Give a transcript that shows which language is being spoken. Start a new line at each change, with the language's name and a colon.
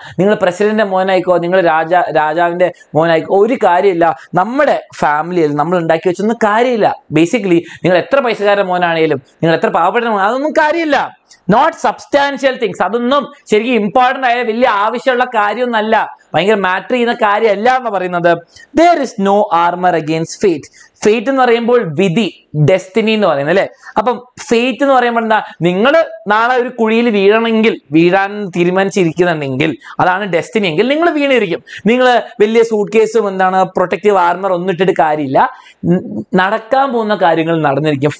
Malayalam: നിങ്ങൾ പ്രസിഡന്റിന്റെ മോനായിക്കോ, നിങ്ങൾ രാജാവിന്റെ മോനായിക്കോ, ഒരു കാര്യമില്ല. നമ്മുടെ ഫാമിലിയിൽ നമ്മൾ ഉണ്ടാക്കി വെച്ചൊന്നും കാര്യമില്ല. ബേസിക്കലി നിങ്ങൾ എത്ര പൈസക്കാരുടെ മോനാണെങ്കിലും, നിങ്ങൾ എത്ര പാവപ്പെട്ട മോനാണ്, അതൊന്നും കാര്യമില്ല.
English: Not substantial things.
Malayalam: അതൊന്നും ശരിക്കും ഇമ്പോർട്ടൻ്റ് ആയ വലിയ ആവശ്യമുള്ള കാര്യമൊന്നല്ല, ഭയങ്കര മാറ്റർ ചെയ്യുന്ന കാര്യമല്ല എന്ന് പറയുന്നത്.
English: There is no armor against fate.
Malayalam: Fate എന്ന് പറയുമ്പോൾ വിധി, ഡെസ്റ്റിനി എന്ന് പറയുന്നത് അല്ലെ. അപ്പം ഫേറ്റ് എന്ന് പറയുമ്പോൾ എന്താ, നിങ്ങൾ നാളെ ഒരു കുഴിയിൽ വീഴണമെങ്കിൽ, വീഴാൻ തീരുമാനിച്ചിരിക്കുന്നുണ്ടെങ്കിൽ അതാണ് ഡെസ്റ്റിനി എങ്കിൽ നിങ്ങൾ വീണിരിക്കും. നിങ്ങൾ വലിയ സൂട്ട് കേസും എന്താണ് പ്രൊട്ടക്റ്റീവ് ആർമർ ഒന്നും ഇട്ടിട്ട് കാര്യമില്ല, നടക്കാൻ പോകുന്ന കാര്യങ്ങൾ നടന്നിരിക്കും.